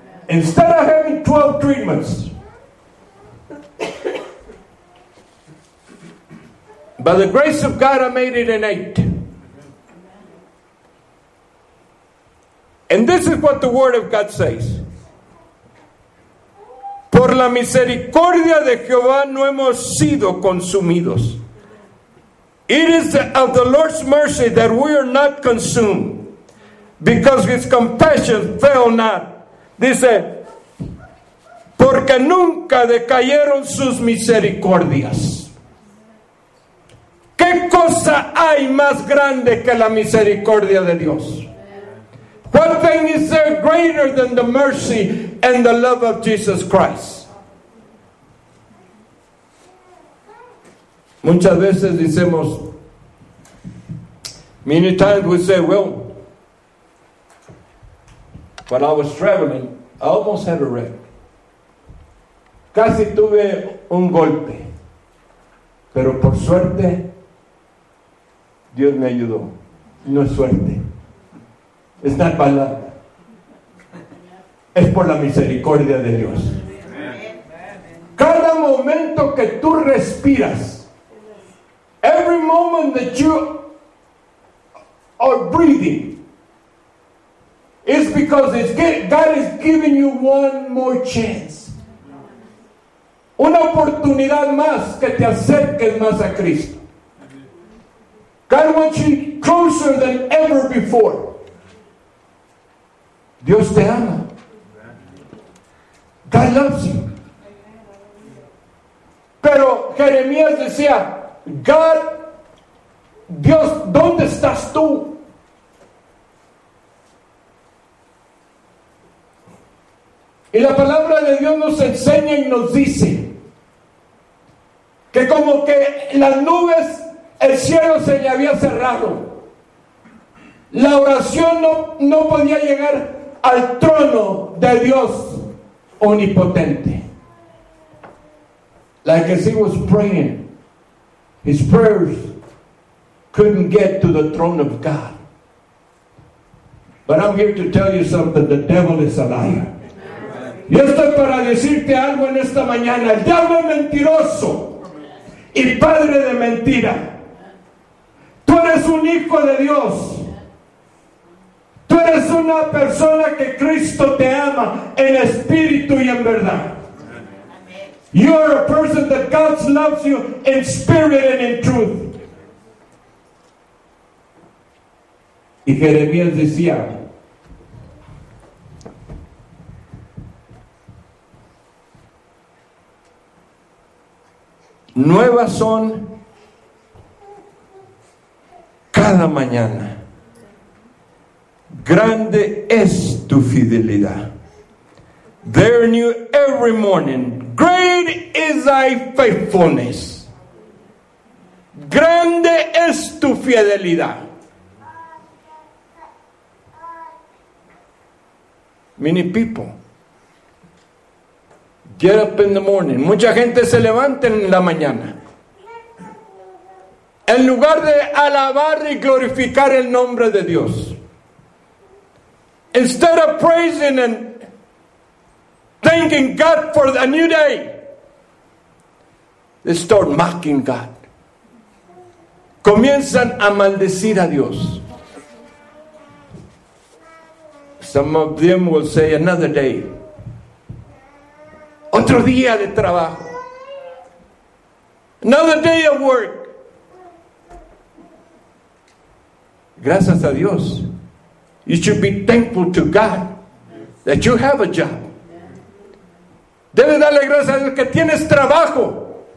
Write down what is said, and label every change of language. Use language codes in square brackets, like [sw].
[en] Instead of having 12 treatments. By the grace of God, I made it in 8. And this is what the word of God says. [es] Por la misericordia de Jehová no hemos sido consumidos. [en] It is of the Lord's mercy that we are not consumed, because his compassion fail not. [es] Dice, porque nunca decayeron sus misericordias. ¿Qué cosa hay más grande que la misericordia de Dios? [en] What thing is there greater than the mercy and the love of Jesus Christ? [es] Muchas veces decimos, [en] many times we say, well, when I was traveling, I almost had a wreck. [es] Casi tuve un golpe, pero por suerte Dios me ayudó. No es suerte, es la palabra, es por la misericordia de Dios. Cada momento que tú respiras, [en] every moment that you are breathing, it's because God is giving you one more chance. [es] Una oportunidad más que te acerques más a Cristo. [en] God wants you closer than ever before. [es] Dios te ama. [en] God loves you. [es] Pero Jeremías decía, God, Dios, ¿dónde estás tú? Y la palabra de Dios nos enseña y nos dice que como que las nubes, el cielo se le había cerrado. La oración no podía llegar al trono de Dios omnipotente. [en] Like as he was praying, his prayers couldn't get to the throne of God. But I'm here to tell you something, the devil is a liar. [es] Yo estoy para decirte algo en esta mañana. El diablo es mentiroso y padre de mentira. Tú eres un hijo de Dios. Tú eres una persona que Cristo te ama en espíritu y en verdad. [en] You are a person that God loves you in spirit and in truth. [es] Y Jeremías decía, nuevas son cada mañana. Grande es tu fidelidad. [en] They're new every morning. Great is thy faithfulness. [es] Grande es tu fidelidad. [en] Many people get up in the morning. [es] Mucha gente se levanta en la mañana. En lugar de alabar y glorificar el nombre de Dios. [en] Instead of praising and thanking God for a new day, they start mocking God. [es] Comienzan a maldecir a Dios. [en] Some of them will say, another day. [es] Otro día de trabajo. [en] Another day of work. [es] Gracias a Dios. [en] You should be thankful to God that you have a job. [es] Debes darle gracias a Dios que tienes trabajo.